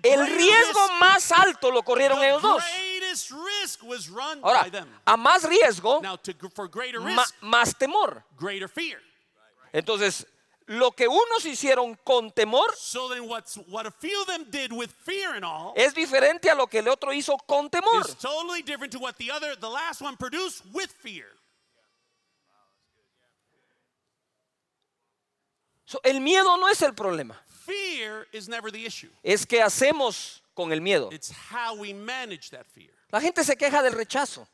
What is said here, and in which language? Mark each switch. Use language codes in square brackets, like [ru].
[en] greater [es] el riesgo [en] risk. [es] Más alto lo corrieron [en] the [es] ellos dos. [en] Greatest risk was run [es] ahora, [en] by them. [es] A más riesgo, [en] now to, for greater risk, [es] más temor. [en] Greater fear. [es] Entonces, lo que unos hicieron con temor, [en] so then what a few of them did with fear and all, [es] es diferente a lo que el otro hizo con temor. [en] Is totally different to what the last one produced with fear. [es] So, el miedo no es el problema. [en] Fear is never the issue. [es] Es que hacemos con el miedo. [en] It's how we manage that fear. [es] La gente se queja del rechazo.